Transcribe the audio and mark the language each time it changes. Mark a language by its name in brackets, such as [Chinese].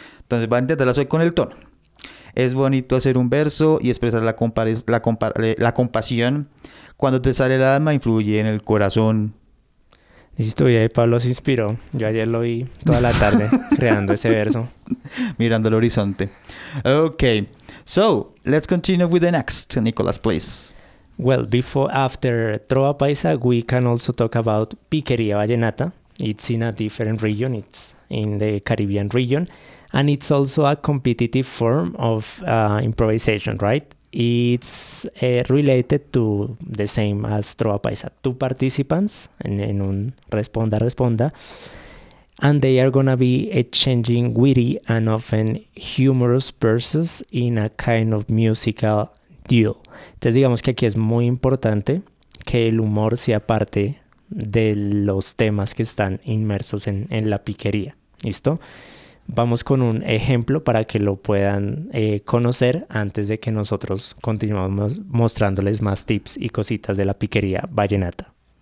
[Spanish] Entonces, voy a intentarla hoy con el tono. Es bonito hacer un verso y expresar la compasión. Cuando te sale el alma, influye en el corazón. Listo, y ahí Pablo se inspiró. Yo ayer lo vi toda la tarde creando ese verso. Mirando el horizonte. Ok. [English] So, let's continue with the next, Nicolas, please. Well, after Trova Paisa, we can also talk about Piquería Vallenata. It's in a different region, it's in the Caribbean region, and it's also a competitive form of improvisation, right? It's related to the same as Trova Paisa. Two participants, [Spanish] en un responda, [English] and they are going to be exchanging witty and often humorous verses in a kind of musical duel. [Spanish] Entonces digamos que aquí es muy importante que el humor sea parte de los temas que están inmersos en la piquería. ¿Listo? Vamos con un ejemplo para que lo puedan conocer antes de que nosotros continuemos mostrándoles más tips y cositas de la piquería vallenata.